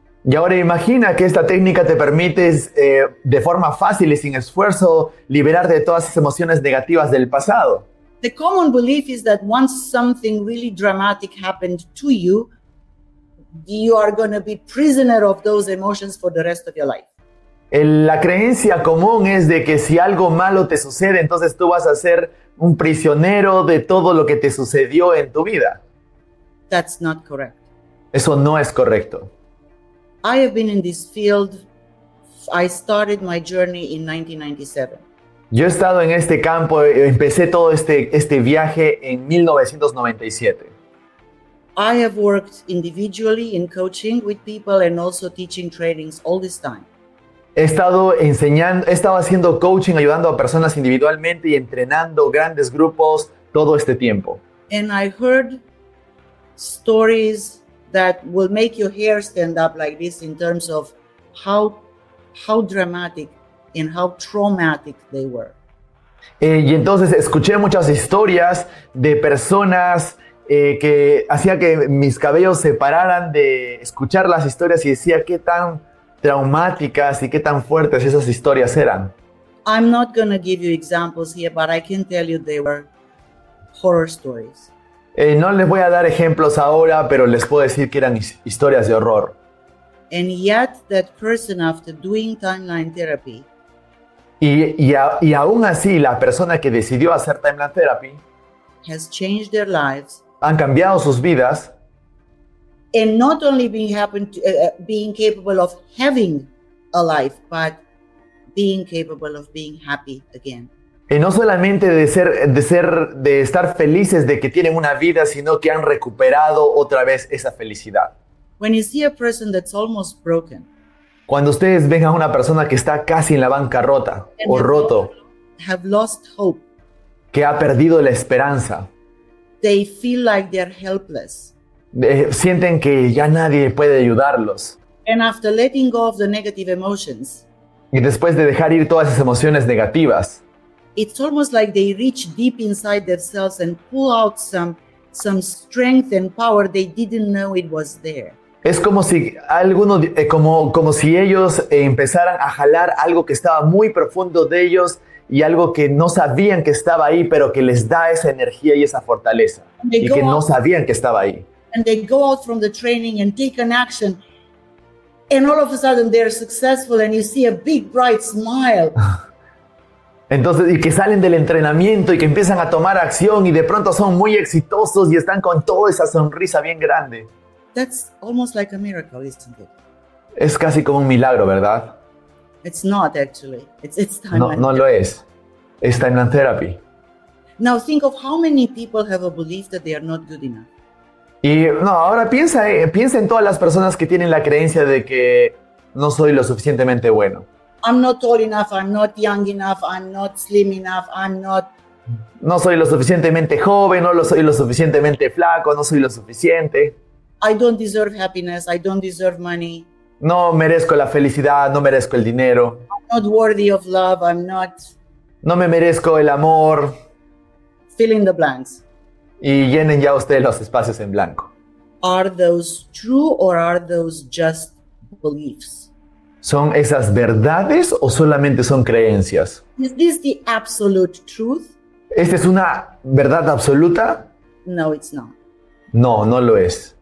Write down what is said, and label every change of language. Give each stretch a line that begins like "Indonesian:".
Spanish: Y ahora imagina que esta técnica te permite de forma fácil y sin esfuerzo liberar de todas esas emociones negativas del pasado.
English: The common belief is that once something really dramatic happened to you, you are going to be prisoner of those emotions for the rest of your life.
Spanish: La creencia común es de que si algo malo te sucede, entonces tú vas a ser un prisionero de todo lo que te sucedió en tu vida.
English: That's not correct.
Spanish: Eso no es correcto.
English: I have been in this field. I started my journey in 1997.
Spanish: Yo he estado en este campo, empecé todo este viaje en 1997.
English: I have worked individually in coaching with people and also teaching trainings all this time.
Spanish: He estado haciendo coaching, ayudando a personas individualmente y entrenando grandes grupos todo este tiempo.
English: And I heard stories that will make your hair stand up like this in terms of how dramatic and how traumatic they were.
Spanish: Y entonces escuché muchas historias de personas que hacía que mis cabellos se pararan de escuchar las historias y decía qué tan traumáticas y qué tan fuertes esas historias eran.
English: I'm not going to give you examples here, but I can tell you they were horror stories.
Spanish: No les voy a dar ejemplos ahora, pero les puedo decir que eran historias de horror.
English: And yet that person after doing timeline therapy.
Spanish: Y aún así la persona que decidió hacer timeline therapy
English: has changed their lives.
Spanish: Han cambiado sus vidas.
English: And not only being capable of having a life, but being capable of being happy again.
Spanish: Y no solamente de estar felices de que tienen una vida, sino que han recuperado otra vez esa felicidad.
English: When you see a person that's almost broken.
Spanish: Cuando ustedes ven a una persona que está casi en la bancarrota o roto.
English: Have lost hope.
Spanish: Que ha perdido la esperanza.
English: They feel like they're helpless.
Spanish: Sienten que ya nadie puede ayudarlos.
English: And after letting go of the negative emotions.
Spanish: Y después de dejar ir todas esas emociones negativas.
English: It's almost like they reach deep inside themselves and pull out some strength and power they didn't know it was there.
Spanish: Es como si si ellos empezaran a jalar algo que estaba muy profundo de ellos y algo que no sabían que estaba ahí, pero que les da esa energía y esa fortaleza y que no sabían que estaba ahí.
English: And they go out from the training and take an action. And all of a sudden they're successful and you see a big bright smile.
Spanish: Entonces, y que salen del entrenamiento y que empiezan a tomar acción y de pronto son muy exitosos y están con toda esa sonrisa bien grande.
English: That's almost like a miracle, isn't it?
Spanish: Es casi como un milagro, ¿verdad?
English: It's not actually. It's time.
Spanish: No lo es. Es timeline therapy.
English: Now think of how many people have a belief that they are not good enough.
Spanish: Y no, ahora piensa en todas las personas que tienen la creencia de que no soy lo suficientemente bueno.
English: I'm not tall enough, I'm not young enough, I'm not slim enough, I'm not...
Spanish: No soy lo suficientemente joven, no soy lo suficientemente flaco, no soy lo suficiente.
English: I don't deserve happiness, I don't deserve money.
Spanish: No merezco la felicidad, no merezco el dinero.
English: I'm not worthy of love, I'm not...
Spanish: No me merezco el amor.
English: Fill in the blanks.
Spanish: Y llenen ya ustedes los espacios en blanco.
English: Are those true or are those just beliefs?
Spanish: ¿Son esas verdades o solamente son creencias?
English: Is this the absolute truth?
Spanish: ¿Esta es una verdad absoluta?
English: No, it's not.
Spanish: No, no lo es.